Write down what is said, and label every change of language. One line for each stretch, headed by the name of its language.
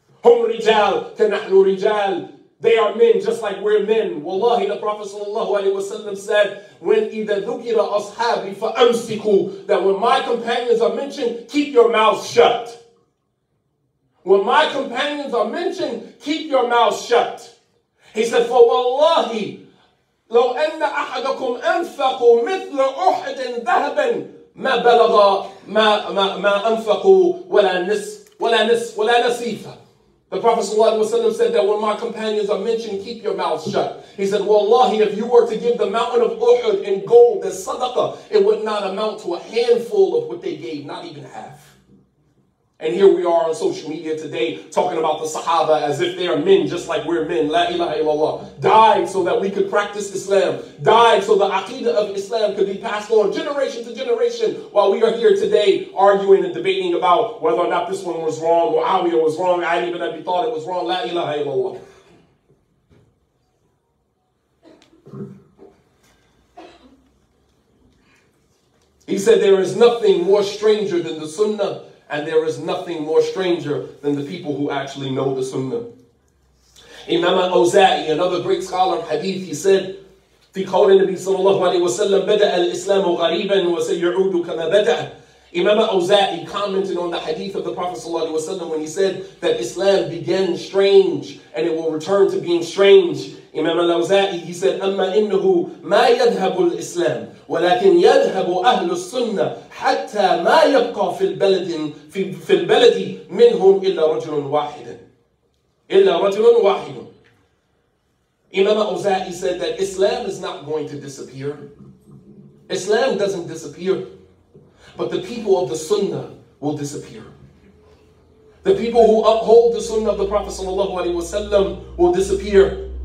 Arabic: Hum rijal, kanahnu rijal.
English: They are men just like we're men. Wallahi, the Prophet sallallahu alayhi wa sallam said, when
Arabic: idha dhukira ashabi fa amsiku,
English: that when my companions are mentioned, keep your mouth shut. When my companions are mentioned, keep your mouth shut. He said, for
Arabic: wallahi, لو أن أحدكم أنفقوا مثل أحد ذهبا ما بلغ ما أنفقوا ولا نصيفا.
English: The Prophet sallallahu alaihi wasallam said that when my companions are mentioned, keep your mouth shut. He said, wallahi, if you were to give the mountain of Uhud in gold as sadaqah, it would not amount to a handful of what they gave, not even half. And here we are on social media today talking about the Sahaba as if they are men just like we're men. La ilaha illallah. Died so that we could practice Islam. Died so the aqidah of Islam could be passed on generation to generation while we are here today arguing and debating about whether or not this one was wrong, or Muawiyah was wrong, I didn't even have you thought it was wrong. La ilaha illallah. He said there is nothing more stranger than the sunnah. And there is nothing more stranger than the people who actually know the sunnah. Imam al-Awza'i, another great scholar of hadith, he said,
Arabic: في قول النبي صلى الله عليه وسلم بدأ الإسلام غريبا وسيعود كما بدأ.
English: Imam al-Awza'i commented on the hadith of the Prophet صلى الله عليه وسلم when he said that Islam began strange and it will return to being strange. Imam al-Awza'i, he said,
Arabic: أما إنه ما يذهب الإسلام ولكن يذهب أهل السنة حتى ما يبقى في البلد منهم إلا رجل واحد. إلا رجل واحد.
English: Imam al-Awza'i said that Islam is not going to disappear. Islam doesn't disappear. But the people of the Sunnah will disappear. The people who uphold the Sunnah of the Prophet sallallahu alaihi wasallam will disappear.